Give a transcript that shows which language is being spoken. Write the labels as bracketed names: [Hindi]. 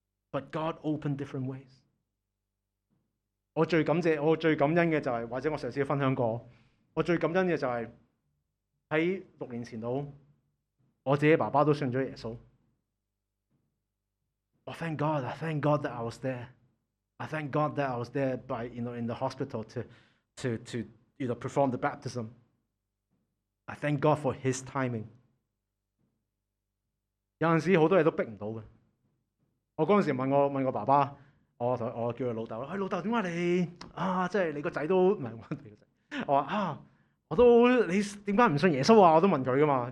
[English] But God opened different ways。 [Cantonese] 我最感謝，我最感恩嘅就係、是，或者我上次分享過，我最感恩嘅就係、是、喺六年前度，我自己爸爸都信咗耶穌。 [English] Oh, thank God! I thank God that I was there. I thank God that I was there by you know in the hospital to you know perform the baptism. I thank God for His timing. [Cantonese] 有陣時好多嘢都逼唔到嘅。我嗰陣時問我爸爸，我叫佢老豆，哎老豆點解你啊？即係你個仔都唔係我哋個仔。我話啊，我都你點解唔信耶穌啊？我都問佢噶嘛。